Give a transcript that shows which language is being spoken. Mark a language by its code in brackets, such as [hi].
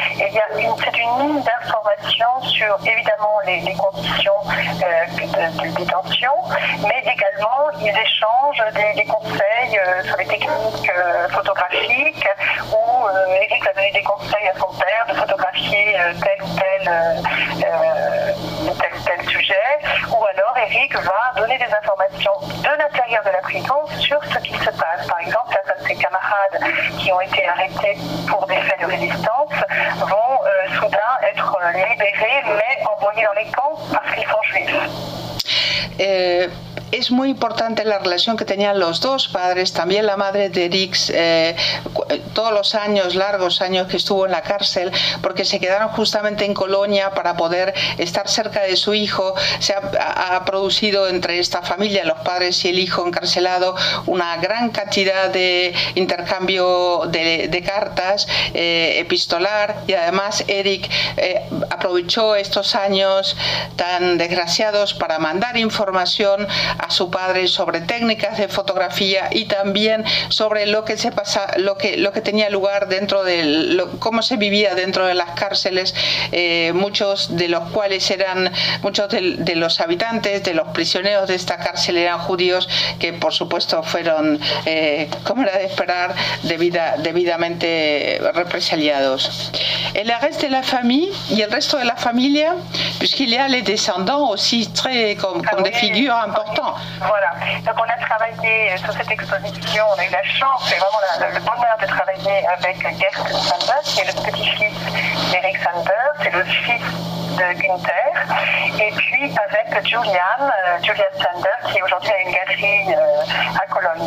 [fr] Et il y a c'est une mine d'informations sur évidemment les conditions de détention, mais également ils échangent des conseils sur les techniques photographiques, où Eric a donné des conseils à son père de photographier tel sujet, ou alors Eric va donner des informations de l'intérieur de la prison sur ce qui se passe. Par exemple, certains de ses camarades qui ont été arrêtés pour des faits de résistance vont soudain être libérés, mais envoyés dans les camps parce qu'ils sont juifs. [es] Es muy importante la relación que tenían los dos padres, también la madre de Eric, todos los años, largos años que estuvo en la cárcel, porque se quedaron justamente en Colonia para poder estar cerca de su hijo. Se ha producido entre esta familia, los padres y el hijo encarcelado, una gran cantidad de intercambio de cartas, epistolar, y además Eric aprovechó estos años tan desgraciados para mandar información a su padre sobre técnicas de fotografía y también sobre lo que tenía lugar dentro de cómo se vivía dentro de las cárceles, muchos de los cuales eran, muchos de los habitantes, de los prisioneros de esta cárcel eran judíos, que por supuesto fueron, como era de esperar, debidamente represaliados. El arresto de la familia [fr] y el resto de la familia, puisqu'il y a les descendants aussi très comme des figures importantes. Voilà, donc on a travaillé sur cette exposition, on a eu la chance et vraiment le bonheur de travailler avec Gert Sander, qui est le petit-fils d'Eric Sander, c'est le fils de Günther, et puis avec Julian Sander, qui aujourd'hui a une galerie à Cologne.